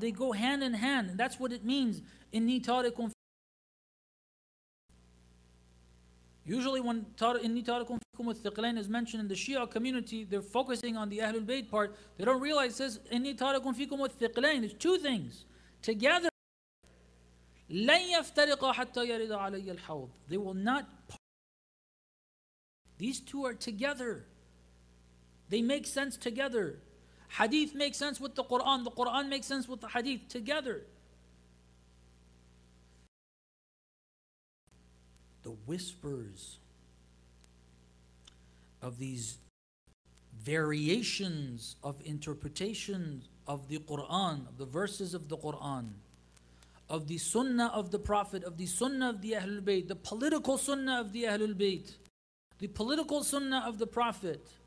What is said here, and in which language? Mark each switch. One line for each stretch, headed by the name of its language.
English: They go hand in hand. That's what it means.
Arabic: إِنِّي تَارِكُمْ.
English: Usually when
Arabic: inni tarikum fikum al-thiqlain
English: is mentioned in the Shia community, they're focusing on the Ahlul Bayt part. They don't realize it says
Arabic: inni tarikum fikum al-thiqlain.
English: It's two things. Together,
Arabic: لَنْ يَفْتَرِقَ حَتَّى يَرِضَ عَلَيَّ الْحَوْضِ.
English: They will not part. These two are together. They make sense together. Hadith makes sense with the Qur'an. The Qur'an makes sense with the Hadith. Together. The whispers of these variations of interpretations of the Qur'an, of the verses of the Qur'an, of the sunnah of the Prophet, of the sunnah of the Ahlul Bayt, the political sunnah of the Ahlul Bayt, the political sunnah of the Prophet,